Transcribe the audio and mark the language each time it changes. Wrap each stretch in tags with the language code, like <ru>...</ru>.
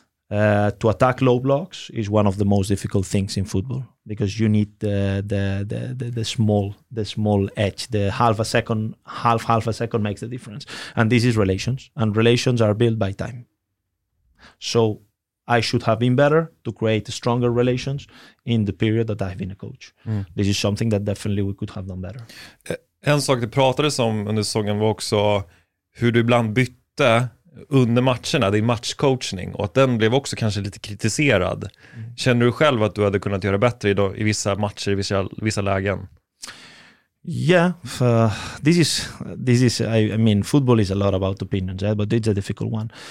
<en>To attack low blocks is one of the most difficult things in football because you need the small edge. The half a second makes the difference. And this is relations. And relations are built by time. So I should have been better to create stronger relations in the period that I've been a coach. This is something that definitely we could have done better.</en> <sv>En sak du pratade om under säsongen var också hur du ibland bytte under matcherna, din matchcoachning, och att den blev också kanske lite kritiserad. Känner du själv att du hade kunnat göra bättre idag i vissa matcher, i vissa lägen?</sv> <en>Yeah, this is I mean, football is a lot about opinions, right? But it's a difficult one.</en>